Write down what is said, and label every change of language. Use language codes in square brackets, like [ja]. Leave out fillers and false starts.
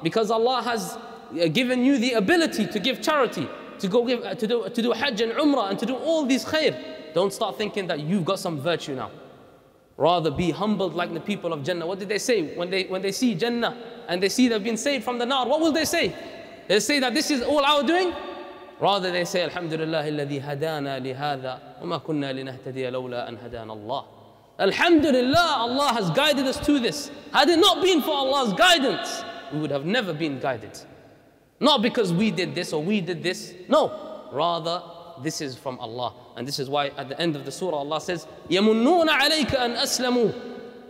[en] Because Allah has given you the ability to give charity, to go give, to do hajj and umrah, and to do all these khair. Don't start thinking that you've got some virtue now. Rather be humbled like the people of Jannah. What did they say when they see Jannah and they see they've been saved from the Nar? What will they say? They'll say that this is all our doing. Rather they say, Alhamdulillah, [ar] الذي هدانا لهذا وما كنا لنهتدي لولا أن هدانا الله. [en] Alhamdulillah, Allah has guided us to this. Had it not been for Allah's guidance, we would have never been guided. Not because we did this or we did this. No, rather this is from Allah. And this is why at the end of the surah, Allah says, [ar] يَمُنُّونَ عَلَيْكَ أَنْ أَسْلَمُوا.